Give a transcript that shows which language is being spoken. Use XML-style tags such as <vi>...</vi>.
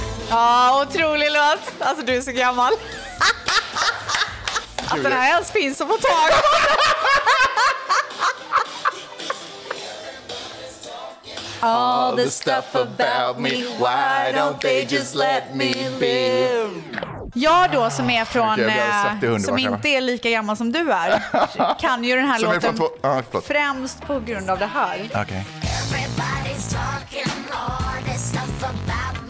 <sv>Ja, otrolig låt. Alltså, du är så gammal. Alltså, den här ens finns att få tag på.</sv> <en>All the stuff about me, why don't they just let me be?</en> <sv>Jag då, som är från, som inte är lika gammal som du är, kan ju den här som låten främst på grund av det här. Okej.</sv> <en>Everybody's talking all the stuff about.</en>